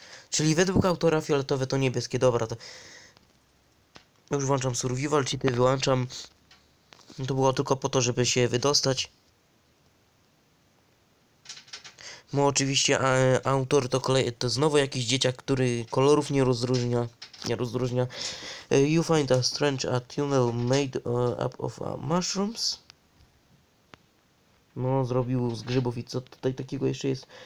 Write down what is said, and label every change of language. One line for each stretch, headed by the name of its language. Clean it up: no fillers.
Polish: Czyli według autora fioletowe to niebieskie, dobra to... Już włączam survival, cheaty wyłączam. To było tylko po to, żeby się wydostać. Bo oczywiście autor to kolej, to znowu jakiś dzieciak, który kolorów nie rozróżnia.
English: You find a strange a tunnel made up of mushrooms.
Polish: No, zrobił z grzybów i co tutaj takiego jeszcze jest?